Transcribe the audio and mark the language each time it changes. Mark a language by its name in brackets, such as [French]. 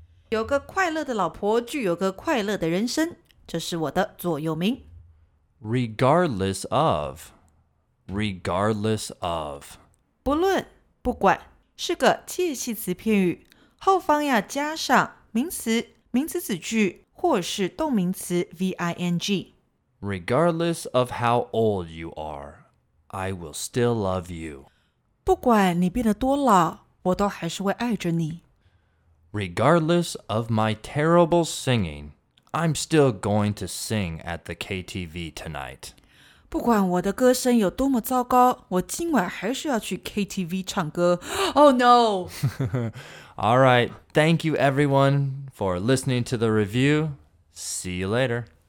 [Chinese] 有个快乐的老婆，具有个快乐的人生，这是我的座右铭。 [English] Regardless of, regardless of. [Chinese] 不论，不管，是个介系词片语，后方要加上名词、名词子句或是动名词 ving. [English] Regardless of how old you are, I will still love you. [Chinese] 不管你变得多老，我都还是会爱着你。 [English] Regardless of my terrible singing, I'm still going to sing at the KTV tonight. [Chinese] 不管我的歌声有多么糟糕，我今晚还是要去 KTV 唱歌。 [English] Oh no! All right, thank you everyone for listening to the review. See you later.